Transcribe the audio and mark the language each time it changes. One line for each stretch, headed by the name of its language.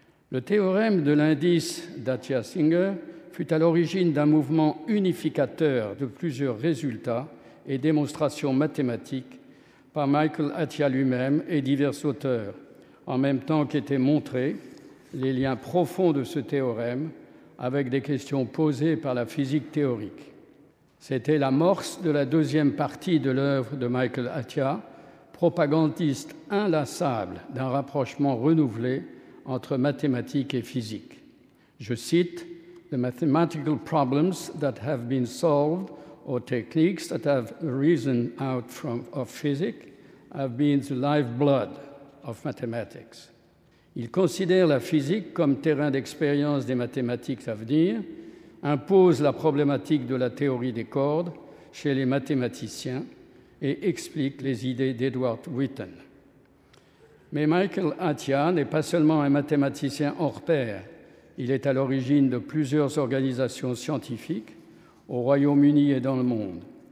French: Le théorème de l'indice d'Atia-Singer fut à l'origine d'un mouvement unificateur de plusieurs résultats et démonstrations mathématiques par Michael Atia lui-même et divers auteurs, en même temps qu'étaient montrés les liens profonds de ce théorème avec des questions posées par la physique théorique. C'était l'amorce de la deuxième partie de l'œuvre de Michael Atia, propagandiste inlassable d'un rapprochement renouvelé entre mathématiques et physique. Je cite
English: « The mathematical problems that have been solved or techniques that have arisen out of physics have been the lifeblood of mathematics ».
French: Il considère la physique comme terrain d'expérience des mathématiques à venir, impose la problématique de la théorie des cordes chez les mathématiciens et explique les idées d'Edward Witten. Mais Michael Atia n'est pas seulement un mathématicien hors pair, il est à l'origine de plusieurs organisations scientifiques au Royaume-Uni et dans le monde.